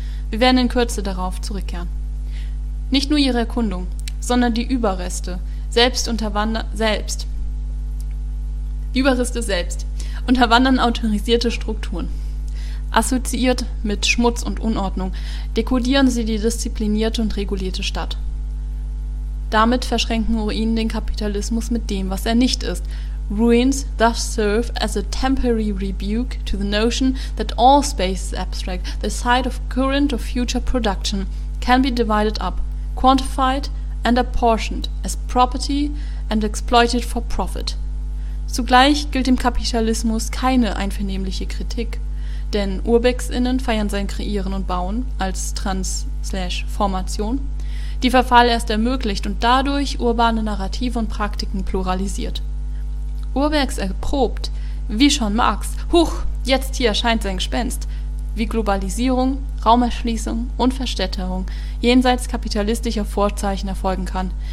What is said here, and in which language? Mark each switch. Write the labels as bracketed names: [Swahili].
[German] Wir werden in Kürze darauf zurückkehren. Nicht nur ihre Erkundung, sondern die Überreste selbst unterwandern autorisierte Strukturen. Assoziiert mit Schmutz und Unordnung, dekodieren sie die disziplinierte und regulierte Stadt. Damit verschränken Ruinen den Kapitalismus mit dem, was er nicht ist. [English] Ruins thus serve as a temporary rebuke to the notion that all space is abstract, the site of current or future production, can be divided up, quantified and apportioned as property and exploited for profit. [German] Zugleich gilt dem Kapitalismus keine einvernehmliche Kritik, denn UrbexInnen feiern sein Kreieren und Bauen als Trans/Formation, die Verfall erst ermöglicht und dadurch urbane Narrative und Praktiken pluralisiert. Urbex erprobt, wie schon Marx, huch, jetzt hier erscheint sein Gespenst, wie Globalisierung, Raumerschließung und Verstädterung jenseits kapitalistischer Vorzeichen erfolgen kann.